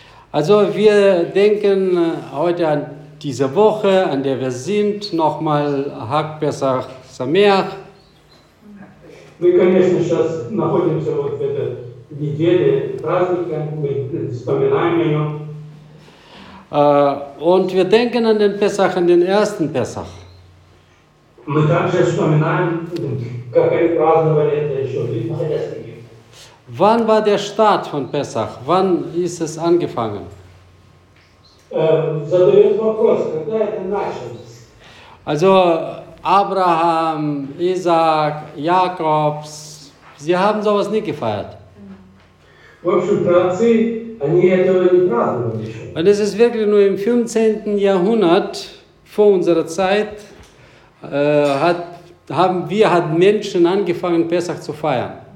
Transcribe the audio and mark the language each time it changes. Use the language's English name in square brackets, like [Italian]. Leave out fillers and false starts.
[German] Also wir denken heute an diese Woche, an der wir sind, nochmal [Hebrew] Hag Pessach Sameach. [German] Wir können jetzt [Russian] сейчас находимся вот в этой неделе праздника, мы вспоминаем ее. [German] Und wir denken an den Pessach, an den ersten Pessach. [Russian] Мы также вспоминаем, как они праздновали это еще в Египте. [German] Wann war der Start von Pessach? Wann ist es angefangen? [Russian] Задают вопрос, когда это началось? [German] Also Abraham, Isaac, Jakobs, sie haben sowas nie gefeiert. Und es ist wirklich nur im 15. Jahrhundert vor unserer Zeit, hat Menschen angefangen, Pesach zu feiern.